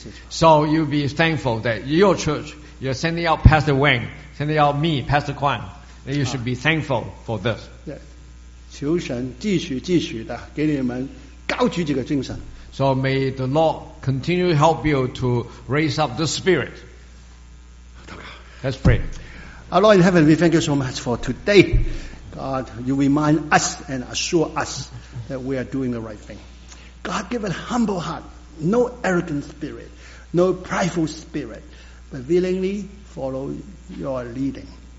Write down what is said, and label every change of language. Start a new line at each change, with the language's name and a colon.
English: So you'll be thankful that your church, you're sending out Pastor Wang, sending out me, Pastor Kwan, and you should be thankful for this.
Chinese: 求神继续继续的给你们高举这个精神。
English: So may the Lord continue to help you to raise up the spirit. Let's pray. Our Lord in heaven, we thank you so much for today. God, you remind us and assure us that we are doing the right thing. God, give a humble heart, no arrogant spirit, no prideful spirit, but willingly follow your leading.